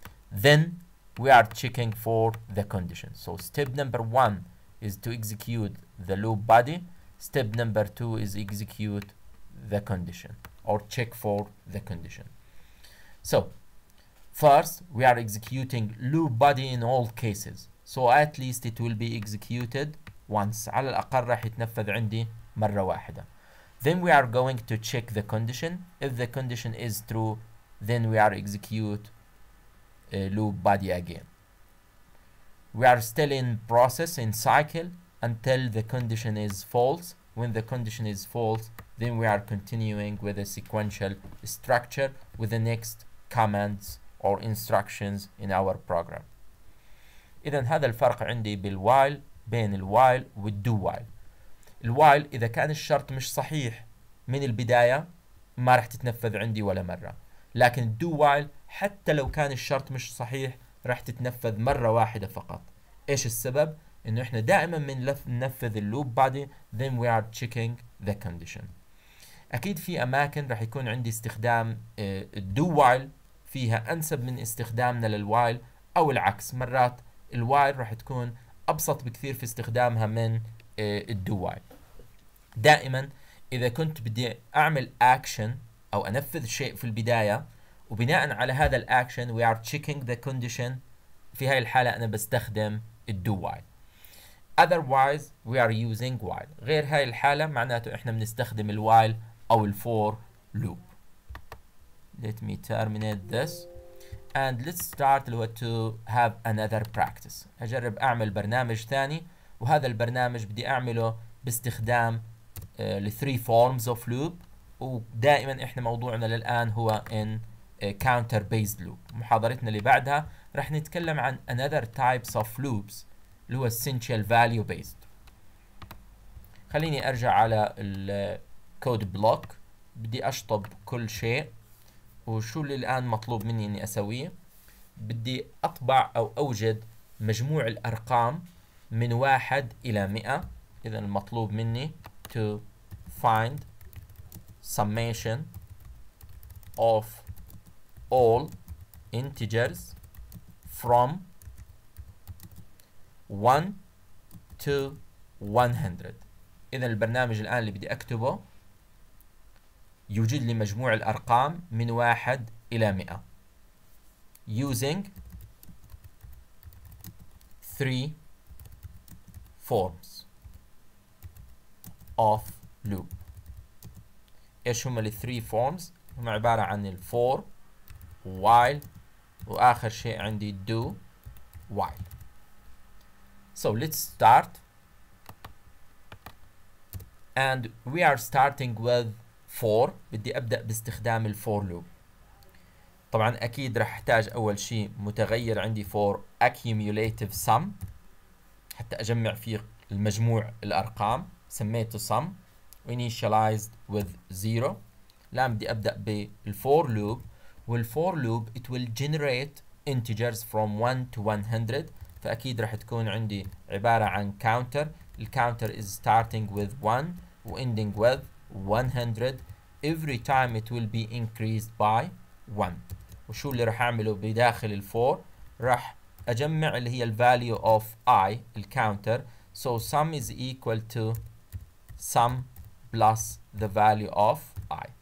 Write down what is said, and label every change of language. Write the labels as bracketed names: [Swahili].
[English] Then we are checking for the condition. So step number one is to execute the loop body. Step number two is execute the condition or check for the condition. So first we are executing loop body in all cases. So at least it will be executed once. [Arabic] على الأقل راح يتنفذ عندي مرة واحدة. [English] Then we are going to check the condition. If the condition is true, then we are execute loop body again. We are still in process, in cycle, until the condition is false. When the condition is false, then we are continuing with a sequential structure with the next commands or instructions in our program. [Arabic] إذن هذا الفرق عندي بالوايل بين الوايل والدو وايل. الوايل إذا كان الشرط مش صحيح من البداية ما رح تتنفذ عندي ولا مرة، لكن الدو وايل حتى لو كان الشرط مش صحيح رح تتنفذ مرة واحدة فقط. إيش السبب؟ إنه إحنا دائما بننفذ اللوب بادي then we are checking the condition. أكيد في أماكن رح يكون عندي استخدام الدو وايل فيها أنسب من استخدامنا للوايل أو العكس. مرات الوايل راح تكون أبسط بكثير في استخدامها من الدو وايل. دائما إذا كنت بدي أعمل أكشن أو أنفذ شيء في البداية وبناء على هذا الأكشن we are checking the condition، في هاي الحالة أنا بستخدم الدو وايل. [English] Otherwise we are using while. [Arabic] غير هاي الحالة معناته إحنا بنستخدم الوايل أو الفور لوب. [English] Let me terminate this. And let's start to have another practice. [Arabic] أجرب أعمل برنامج ثاني، وهذا البرنامج بدي أعمله باستخدام three forms of loop. ودائما إحنا موضوعنا للآن هو in counter based loop. محاضرتنا اللي بعدها رح نتكلم عن another types of loops اللي هو essential value based. خليني أرجع على الكود بلوك. بدي أشطب كل شيء وشو اللي الآن مطلوب مني إني أسويه. بدي أطبع أو أوجد مجموع الأرقام من 1 إلى 100. [English] إذن المطلوب مني to find summation of all integers from 1 to 100. [Arabic] إذن البرنامج الآن اللي بدي أكتبه يوجد لي مجموع الأرقام من 1 إلى 100 using three forms of loop. إيش هما الـ three forms؟ هما عبارة عن الـ for، while، وآخر شيء عندي do while. [English] So let's start. And we are starting with for. [Arabic] بدي أبدأ باستخدام الـ for loop. طبعا أكيد رح أحتاج أول شيء متغير عندي for accumulative sum حتى أجمع فيه المجموع الأرقام، سميته sum initialized with zero. [English] الآن بدي أبدأ بالـ for loop، والـ for loop it will generate integers from 1 to 100. [Arabic] فأكيد رح تكون عندي عبارة عن counter. [English] الـ counter is starting with 1 و ending with 100. Every time it will be increased by 1. [Arabic] وشو اللي راح اعمله بداخل الفور؟ راح اجمع اللي هي الفاليو اوف اي الكاونتر. [English] So sum is equal to sum plus the value of i.